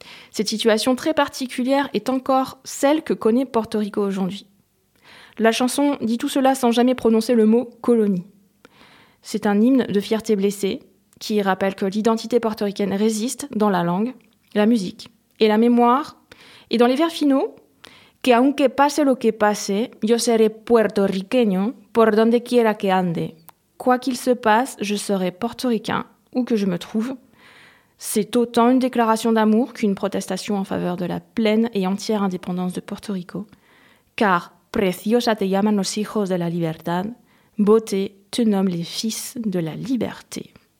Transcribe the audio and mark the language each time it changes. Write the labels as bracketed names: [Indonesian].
[French] Cette situation très particulière est encore celle que connaît Porto Rico aujourd'hui. La chanson dit tout cela sans jamais prononcer le mot « colonie ». C'est un hymne de fierté blessée qui rappelle que l'identité portoricaine résiste dans la langue, la musique et la mémoire. Et dans les vers finaux, [Spanish] « que aunque pase lo que pase, yo seré puertorriqueño por donde quiera que ande. [French] Quoi qu'il se passe, je serai portoricain où que je me trouve. » C'est autant une déclaration d'amour qu'une protestation en faveur de la pleine et entière indépendance de Porto Rico. Car « [Spanish] preciosa te llaman los hijos de la libertad [French] », « beauté » te nomme les fils de la liberté.